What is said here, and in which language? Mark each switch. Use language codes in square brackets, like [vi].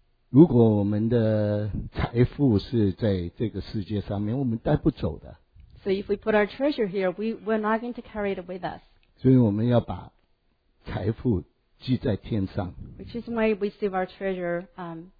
[zh] 如果我们的财富是在这个世界上面，我们带不走的。 [en] So if we put our treasure here, we're not going to carry it with us. [zh] 所以我们要把财富寄在天上。 [en] Which is why we save our treasure from